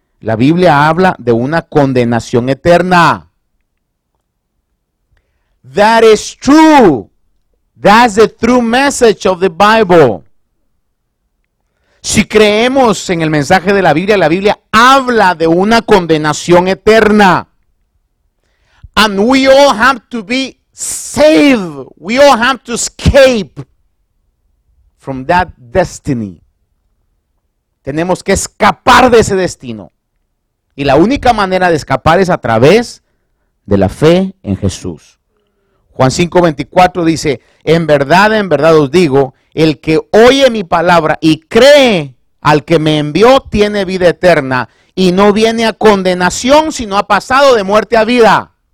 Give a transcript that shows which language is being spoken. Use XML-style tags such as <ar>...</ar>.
<es>La Biblia habla de una condenación eterna.</es> <en>That is true. That's the true message of the Bible.</en> <es>Si creemos en el mensaje de la Biblia habla de una condenación eterna.</es> <en>And we all have to be saved. We all have to escape from that destiny.</en> <es>Tenemos que escapar de ese destino. Y la única manera de escapar es a través de la fe en Jesús. Juan 5:24 dice, en verdad os digo, el que oye mi palabra y cree al que me envió, tiene vida eterna y no viene a condenación, sino ha pasado de muerte a vida.</es>